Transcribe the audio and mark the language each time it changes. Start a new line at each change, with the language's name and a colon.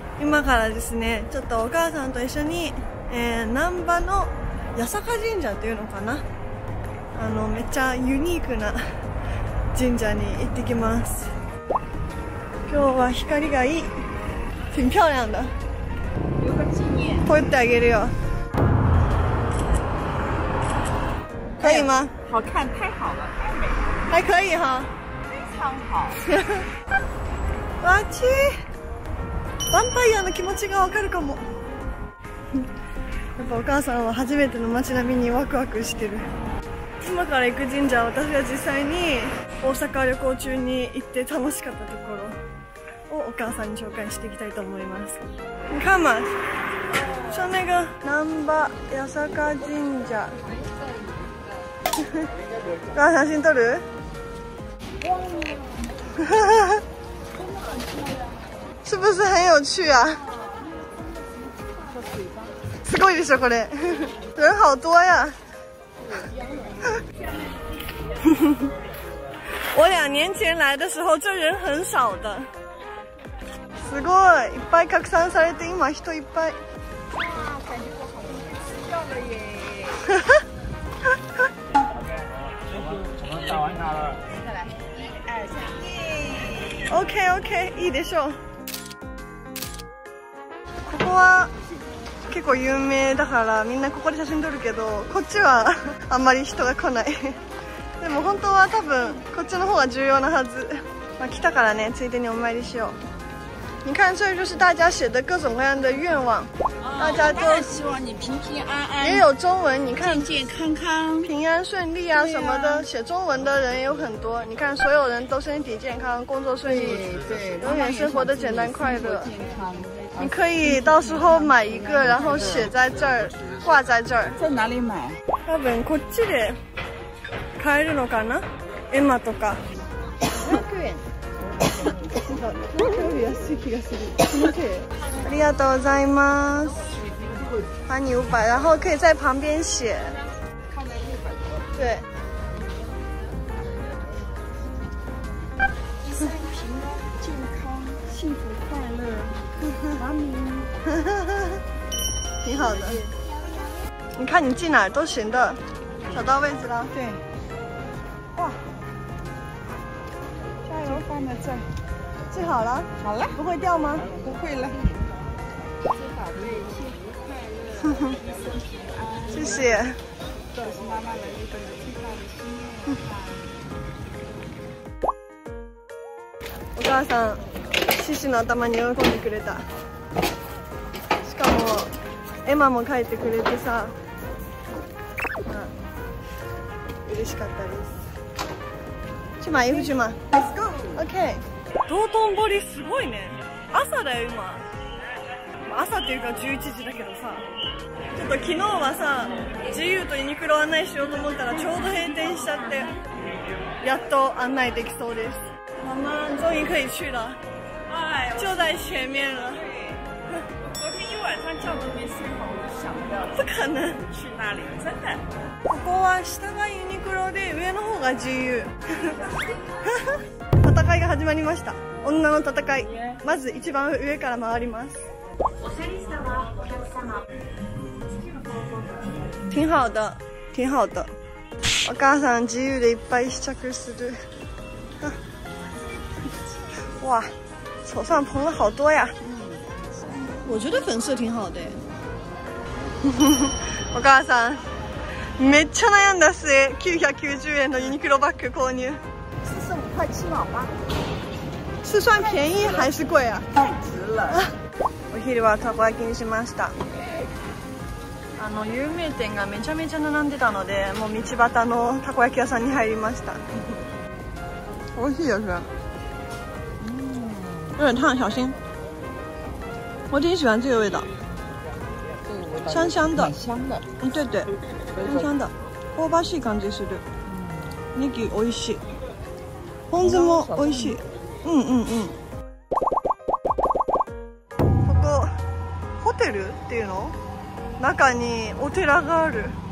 Japanese: 今からですね、ちょっとお母さんと一緒に、難波の八坂神社というのかな、あのめっちゃユニークな神社に行ってきます。今日は光がいい、
Chinese: 挺漂亮的。
Japanese: 撮ってあげるよ。
Chinese: 可以吗？好看，太好了，太美了。还可以哈。非常好。我去。
Japanese: ヴァンパイアの気持ちがわかるかも。やっぱお母さんは初めての街並みにワクワクしてる。今から行く神社は私は実際に大阪旅行中に行って楽しかったところをお母さんに紹介していきたいと思います。
Chinese: 看嘛，上那个南巴八坂神社。啊，小心走路。是不是很有趣啊？
Japanese: すごいでしょこれ。
Chinese: 人好多呀。我两年前来的时候，这人很少的。
Japanese: すごい、いっぱい拡散されて今人いっぱい。
English: OK OK、
Japanese: いいでしょう。ここは結構有名だからみんなここで写真撮るけど、こっちはあんまり人が来ない。でも本当は多分こっちの方が重要なはず。まあ、来たからね、ついでにお参りしよう。
Chinese: 你看，这就是大家写的各种各样的愿望。大家都希望你平平安安。也有中文，你看，健健康康、平安顺利啊什么的。写中文的人有很多，你看，所有人都身体健康，工作顺利，对，永远生活的简单快乐。你可以到时候买一个，然后写在这儿，挂在这儿。在哪里买？
Japanese: 多分こっちで買えるのかな？エマとか。ありがとうございます。
Chinese: 花你500，然后可以在旁边写。对。挺好的。你看你进哪都行的，找到位置了。对。哇。加油，放在这。治好了，好了，不会掉吗？不会了。祝宝贝幸福快乐，一生平安。谢谢。这是妈妈的一个最大的心愿。
Japanese: お母さん、獅子の頭に喜んでくれた。しかも、エマも描いてくれてさ、嬉しかったです。
Chinese: 去买衣服去吗 ？
English: Let's go. OK.
Japanese: 道頓堀すごいね。朝だよ今。朝っていうか11時だけどさ。ちょっと昨日はさ、自由とユニクロ案内しようと思ったらちょうど閉店しちゃって、やっと案内できそうです。
Chinese: ママ、終于可以去了。哎，就在前面了。昨天一晚上觉都没睡好，我想不到。不可能。去那里，真的。
Japanese: ここは下がユニクロで上の方が自由。戦いが始まりました。女の戦い。まず一番上から回ります。お世話したわ、お客様。
Chinese: 挺好的、挺好的。
Japanese: お母さん自由でいっぱい試着する。
Chinese: 哇，手上捧了好多呀。我觉得粉色挺好的。
Japanese: お母さん、めっちゃ悩んだ末、990円のユニクロバッグ購入。
Chinese: 快吃饱吧，是算便宜还是贵啊？太值了！
Japanese: 我昼はたこ焼きにしました。あの有名店がめちゃめちゃ並んでたので、もう道端のたこ焼き屋さんに入りました。美味しいですね。
Chinese: 有点烫，小心。我挺喜欢这个味道，香香的，香的。嗯，对对，香香的，
Japanese: 香ばしい感じする。ネギ美味しい。ポン酢も美味しい。うんうんうん。ここホテルっていうの？中にお寺がある。